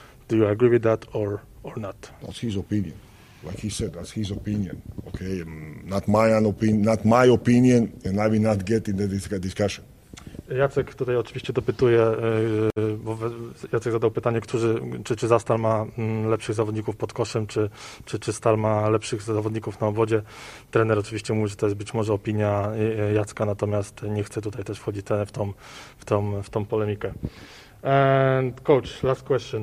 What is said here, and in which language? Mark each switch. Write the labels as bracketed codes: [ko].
[en] Do you agree with that or not? That's his opinion. Like he said, that's his opinion. Okay, not my opinion, and I will not get into this discussion. [pl] Jacek tutaj oczywiście dopytuje, bo Jacek zadał pytanie, czy Zastal ma lepszych zawodników pod koszem, czy Stal ma lepszych zawodników na obwodzie. Trener oczywiście mówi, że to jest być może opinia Jacka, natomiast nie chce tutaj też wchodzić w tą polemikę. [en] And coach, last question.